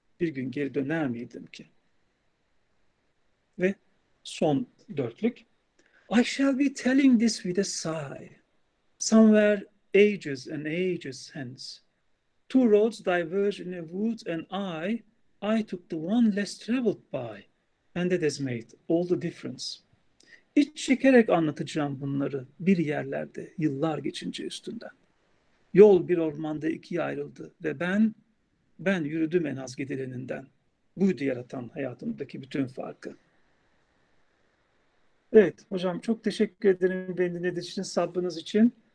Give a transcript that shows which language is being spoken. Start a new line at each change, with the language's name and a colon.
Turkish: Bir gün geri döner miydim ki? Ve son dörtlük.
English: I shall be telling this with a sigh, somewhere ages and ages hence. Two roads diverge in a wood, and I took the one less traveled by, and that has made all the difference.
Turkish: İç çekerek anlatacağım bunları bir yerlerde, yıllar geçince üstünden. Yol bir ormanda ikiye ayrıldı ve ben yürüdüm en az gidileninden. Buydu yaratan hayatımdaki bütün farkı. Evet, hocam çok teşekkür ederim beni dinlediğiniz için, sabrınız için.